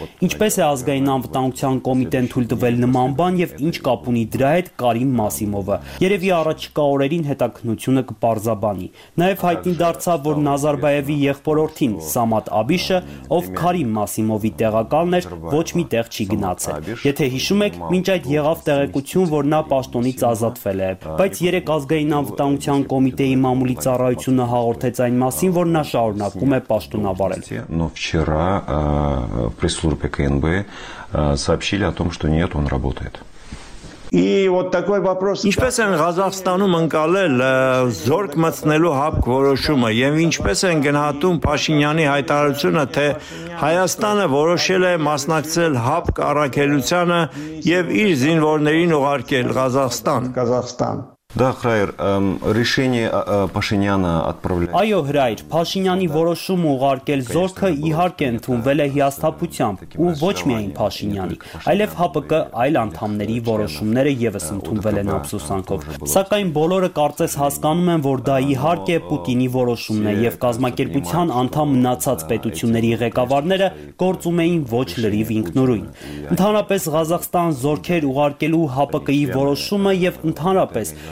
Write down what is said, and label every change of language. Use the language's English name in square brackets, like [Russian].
[Armenian] Ինչպես է ազգային անվտանգության կոմիտեն թույլ տվել նման բան եւ ինչ կապ ունի դրա հետ Կարիմ Մասիմովը։ Երևի առաջիկա օրերին հետաքննությունը կպարզաբանի։ Նաեւ հայտնի դարձավ, որ Նազարբայևի եղբորորդին Սամատ Աբիշը, ով Կարիմ Մասիմովի տեղակալն էր, ոչ մի տեղ չի գնացել։ Եթե հիշում եք, մինչ այդ եղավ տեղեկություն, որ նա պաշտոնից ազատվել է, բայց 3 ազգային անվտանգության Կոմիտեի մամուլի ծառայությունը հաղորդեց այն մասին, որ նա շարունակում է պաշտոնավարել։ [Russian] Но вчера в пресс-службе КНБ сообщили о том, что нет, он работает. И вот такой вопрос. [Armenian] Ինչպես են Ղազախստանում անցալել զորք մտցնելու հապք որոշումը եւ ինչպես են գնահատում Փաշինյանի հայտարարությունը, թե Հայաստանը որոշել է մասնակցել հապք առաքելությանը եւ իր զինվորներին ուղարկել Ղազախստան։ Ղազախստան։ [Russian] Да, Храйр, решение Пашиняна отправлять. [Armenian] Այո, Храйր, Փաշինյանի որոշումը ուղարկել զորքը իհարկե ընդունվել է հիասթափությամբ, ու ոչ միայն Փաշինյանի, այլև ՀԱՊԿ այլ անդամների որոշումները եւս ընդունվել են ափսոսանքով։ Սակայն բոլորը կարծես հասկանում են, որ դա իհարկե Պուտինի որոշումն է, եւ կազմակերպության անդամ մնացած պետությունների ղեկավարները գործում էին ոչ լրիվ ինքնուրույն։ Ընդհանրապես Ղազախստան զորքեր ուղարկելու ՀԱՊԿ-ի որոշումը եւ ընդհանրապես